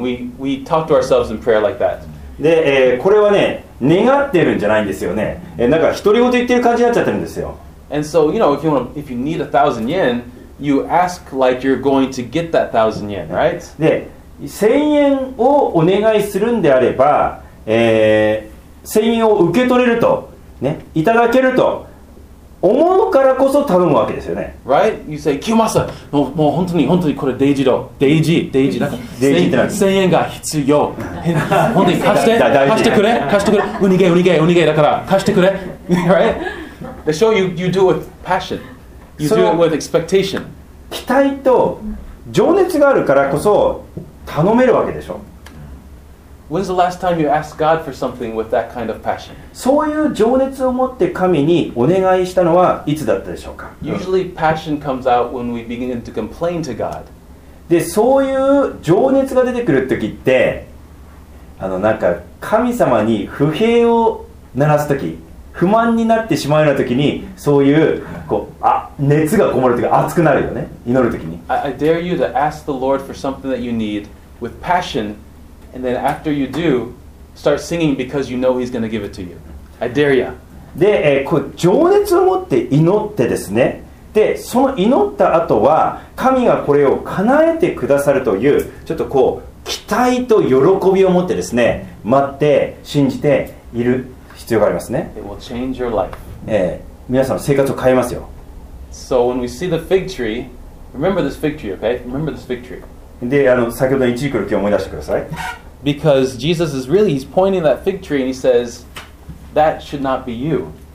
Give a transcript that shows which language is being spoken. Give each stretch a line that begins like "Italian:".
English: We talk to ourselves in prayer like that.
Japanese: で、これはね、願ってるんじゃないんですよね。なんか独り言言ってる感じになっちゃってるんですよ。
English: And so, you know, if you need 1,000 yen, you ask like you're going to get that 1,000 yen, right?
Japanese: で1000円をお願いするんであれば、1000円を受け取れると、ね、いただけると思うからこそ頼むわけですよね。
English: Right? You say,
Japanese: Kiyomasa, もう本当に本当にこれデイジロ、デイジ、デイジ、なんか1000円が必要。本当に貸して、貸してくれ、貸してくれ、ウニゲ、ウニゲ、ウニゲだから貸してくれ。
English: Right? They show you do it with passion. You do it with expectation.
Japanese: 期待と情熱があるからこそ頼めるわけでしょ。
English: When's the last time you asked God for something with that kind of passion?
Japanese: そういう情熱を持って神にお願いしたのはいつだったでしょうか。
English: Usually passion comes out when we begin to complain to God.
Japanese: で、そういう情熱が出てくる時って、なんか神様に不平を鳴らす時、不満になってしまうような時にそういう、こう、あ、熱がこもるというか熱くなるよね、祈る時に。
English: I dare you to ask the Lord for something that you need with passion and then after you do start singing because you know he's going to give it to you. I dare you.
Japanese: で、こう情熱を持って祈ってですね、でその祈った後は神がこれを叶えてくださるというちょっとこう期待と喜びを持ってですね、待って信じている必要がありますね。
English: It will change your life.
Japanese: 皆さんの生活を変えますよ。
English: So when we see the fig tree, remember this fig tree, okay? Remember this fig tree.
Japanese: で、先ほどのイチジクの木を思い出してください。
English: Because Jesus is really, he's pointing that fig tree and he says, that should not be you.